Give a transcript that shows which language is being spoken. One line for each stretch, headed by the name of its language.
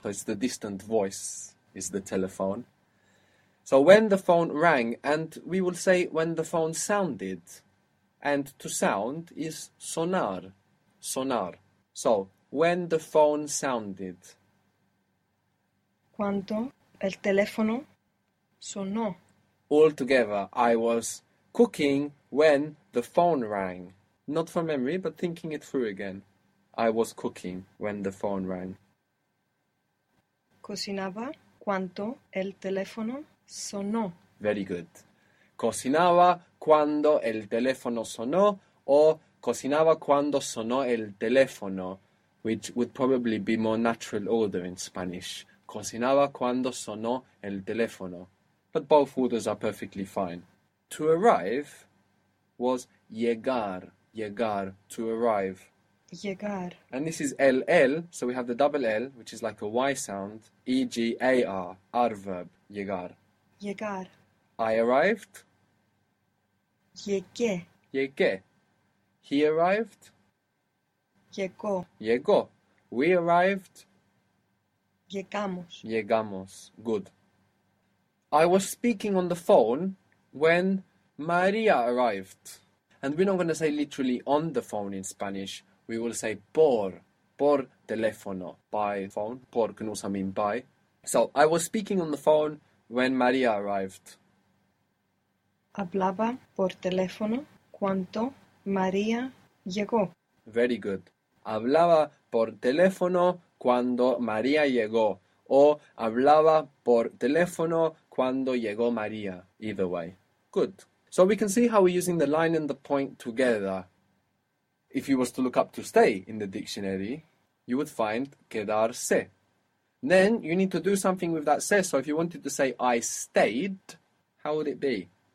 English: So it's the distant voice is the telephone. So when the phone rang, and we will say when the phone sounded, and to sound is sonar, sonar. So when the phone sounded.
Spanish: Cuando el teléfono sonó.
English: Altogether, I was cooking when the phone rang. Not from memory, but thinking it through again. I was cooking when the phone rang.
Spanish: Cocinaba cuando el teléfono sonó.
English: Very good.
Spanish: Cocinaba cuando el teléfono sonó, or cocinaba cuando sonó el teléfono,
English: which would probably be more natural order in Spanish.
Spanish: Cocinaba cuando sonó el teléfono.
English: But both orders are perfectly fine. To arrive was llegar, llegar, to arrive.
Spanish: Llegar.
English: And this is LL, so we have the double L, which is like a Y sound, EGAR, adverb, llegar.
Spanish: Llegar.
English: I arrived.
Spanish: Llegué.
English: Llegué. He arrived.
Spanish: Llegó.
English: Llegó. We arrived.
Spanish: Llegamos. Llegamos. Good.
English: I was speaking on the phone when Maria arrived. And we're not going to say literally on the phone in Spanish. We will say
Spanish: por teléfono,
English: by phone. Por can also mean by. So, I was speaking on the phone when Maria arrived.
Spanish: Hablaba por teléfono cuando María llegó.
English: Very good.
Spanish: Hablaba por teléfono cuando Maria llegó. O hablaba por teléfono cuando llegó María.
English: Either way. Good. So we can see how we're using the line and the point together. If you was to look up to stay in the dictionary, you would find quedarse. Then you need to do something with that se. So if you wanted to say I stayed, how would it be?